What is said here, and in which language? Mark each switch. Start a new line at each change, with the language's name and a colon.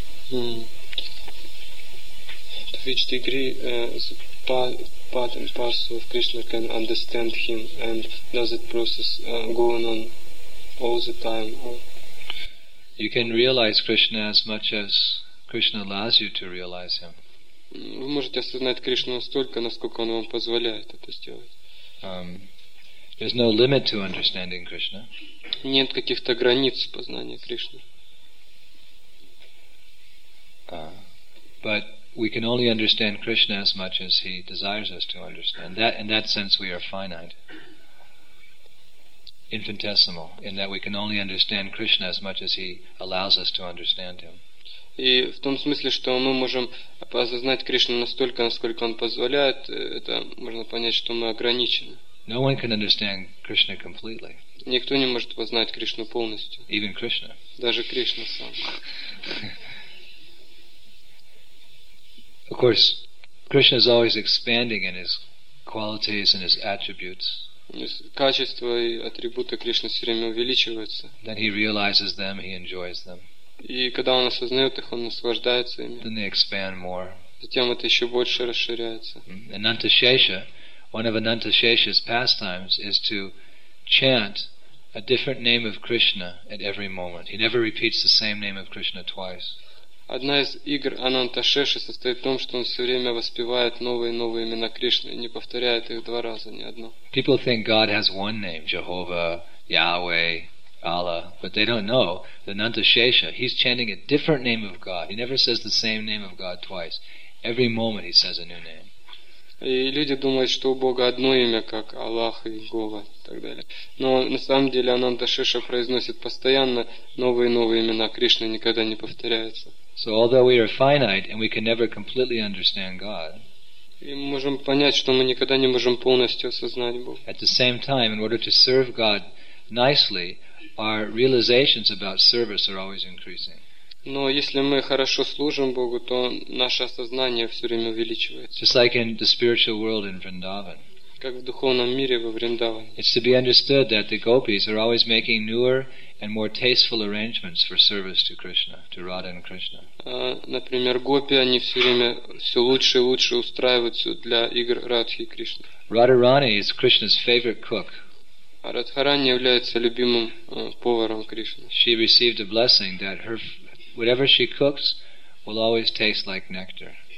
English: To which degree the part and parcel of Krishna can understand him, and does that process going on all the time? You can realize Krishna as much as Krishna allows you to realize him.
Russian: Вы можете осознать Кришну настолько, насколько он вам позволяет это сделать.
English: There's no limit to understanding Krishna.
Russian: Нет каких-то границ познания Кришны.
English: But we can only understand Krishna as much as he desires us to understand. That, in that sense, we are finite, infinitesimal, in that we can only understand Krishna as much as he allows us to understand him.
Russian: И в том смысле, что мы можем осознать Кришну настолько, насколько он позволяет, это можно понять, что мы ограничены.
English: No one can understand Krishna completely.
Russian: Никто не может познать Кришну полностью.
English: Even Krishna.
Russian: Даже Кришна сам.
English: Of course, Krishna is always expanding in his qualities and his attributes.
Russian: Качества и атрибуты Кришны все время увеличиваются.
English: Then he realizes them, he enjoys them.
Russian: И когда он осознает их, он наслаждается ими.
English: Then they expand more.
Russian: Затем это еще больше расширяется.
English: Anantashesha, one of Anantashesha's pastimes is to chant a different name of Krishna at every moment. He never repeats the same name of Krishna twice.
Russian: Одна из игр Анантошеши состоит в том, что он все время воспевает новые и новые имена Кришны и не повторяет их два раза, ни одно.
English: People think God has one name, Jehovah, Yahweh, Allah, but they don't know that Anantashesha, he's chanting a different name of God. He never says the same name of God twice. Every moment he says a new name.
Russian: И люди думают, что у Бога одно имя, как Аллах, Иегова и так далее. Но на самом деле Ананда Шеша произносит постоянно новые и новые имена. Кришна никогда не повторяется.
English: So although we are finite and we can never completely understand God,
Russian: и мы можем понять, что мы никогда не можем полностью осознать Бога.
English: At the same time, in order to serve God nicely, our realizations about service are always increasing.
Russian: Но если мы хорошо служим Богу, то наше осознание все время увеличивается.
English: Just like in the spiritual world in Vrindavan.
Russian: Как в духовном мире во Вриндаване.
English: It's to be understood that the gopis are always making newer and more tasteful arrangements for service to Krishna, to Radha and Krishna.
Russian: Например, гопи, они все время все лучше и лучше устраивают все для игр Радхи и Кришны.
English: Radharani is Krishna's favorite cook.
Russian: Радхарани является любимым поваром Кришны.
English: She received a blessing that her whatever she cooks will always taste like nectar.